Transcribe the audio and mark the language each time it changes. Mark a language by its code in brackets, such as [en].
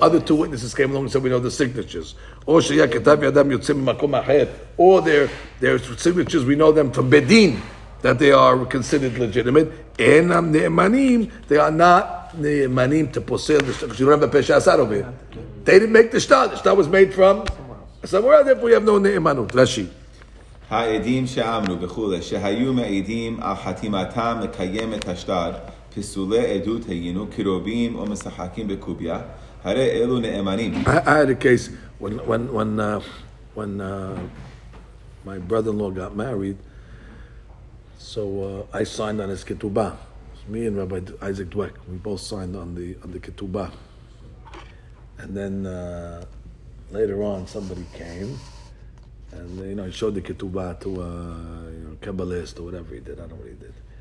[en] Other two witnesses came along and said, we know the signatures. [he] Or sheya ketav yadam yotzim makom acher. [en] Or their signatures, we know them from bedin, that they are considered legitimate. [he] Enam ne'emanim. [en] They are not ne'emanim to posel the shtar. Because you don't have a pesha asar over here. They didn't make the shtar. The shtar was made from somewhere else. Therefore, we have no ne'emanut. Rashi. [he] העדים שאמרו בחולה שהיו מעדים על חתימתם לקיים את השטר פסולי עדות היינו כרובים או משחקים בקוביה הרי אלו נאמנים. [en] I had a case when my brother-in-law got married, so I signed on his ketubah. me and Rabbi Isaac Dweck, we both signed on the ketubah. And then later on, somebody came and, you know, he showed the ketubah to a you know, Kabbalist or whatever he did. I don't know what he did.